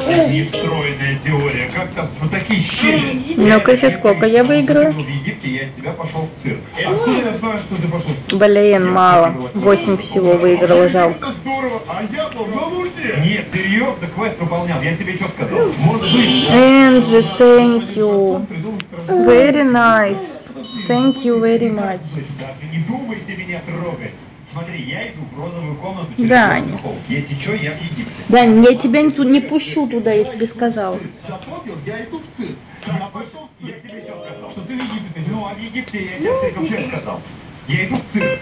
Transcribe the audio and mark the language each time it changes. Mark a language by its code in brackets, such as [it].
[ru] Нестройная теория, как там, вот такие щели. Ну-ка, сейчас сколько я выиграю? В Египте я от тебя пошел в цирк. Откуда я знаю, что ты пошел в цирк? Блин, мало, 8 всего выиграла, жалко. Это здорово, а я был на Луне. Нет, серьезно, ты квест выполнял, я тебе что сказал? Может быть. [en] Энджи, thank you. Very nice. Thank you very much. [ru] Не думайте меня трогать. Смотри, я иду в розовую комнату. Да, Даня. Если что, я в Египте. Даня, я тебя не пущу туда, я тебе сказал. Запомнил, я иду в цирк. Сама пошел в цирк. Я тебе что сказал? Что ты в Египте? Ну, а в Египте я тебе вообще сказал. Я иду в цирк.